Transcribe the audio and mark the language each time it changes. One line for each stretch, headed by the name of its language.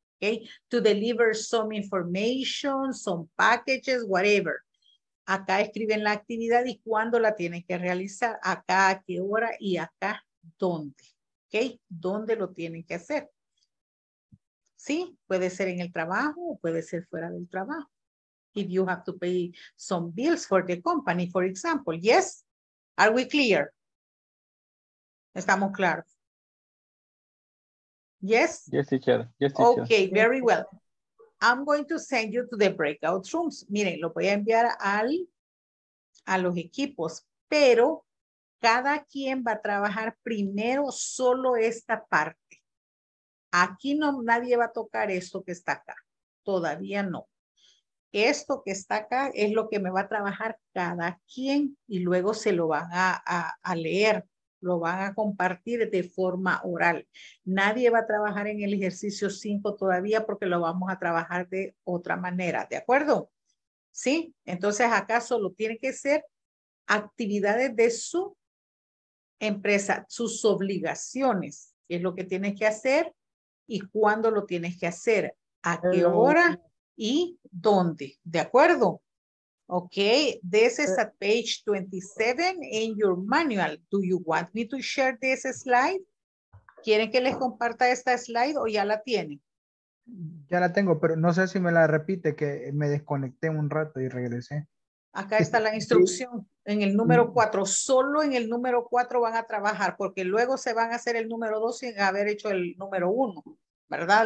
English: Okay, to deliver some information, some packages, whatever.
Spanish: Acá escriben la actividad y cuándo la tienen que realizar, acá a qué hora y acá dónde. Okay, ¿dónde lo tienen que hacer? Sí, puede ser en el trabajo o puede ser fuera del trabajo.
English: If you have to pay some bills for the company, for example. Yes, are we clear?
Spanish: Estamos claros.
English: Yes? Yes, teacher. Yes, teacher. Okay, very well. I'm going to send you to the breakout rooms.
Spanish: Miren, lo voy a enviar al, a los equipos, pero cada quien va a trabajar primero solo esta parte. Aquí no, nadie va a tocar esto que está acá. Todavía no. Esto que está acá es lo que me va a trabajar cada quien y luego se lo van a leer. Lo van a compartir de forma oral. Nadie va a trabajar en el ejercicio 5 todavía porque lo vamos a trabajar de otra manera, ¿de acuerdo? ¿Sí? Entonces acá solo tiene que ser actividades de su empresa, sus obligaciones, qué es lo que tienes que hacer y cuándo lo tienes que hacer, a qué hora y dónde, ¿de acuerdo?
English: Okay, this is at page 27 in your manual. Do you want me to share this slide?
Spanish: ¿Quieren que les comparta esta slide o ya la tienen? Ya la tengo, pero no sé si me la repite, que me desconecté un rato y regresé. Acá está la instrucción en el número 4. Solo en el número 4 van a trabajar, porque luego se van a hacer el número 2 sin haber hecho el número 1. ¿Verdad?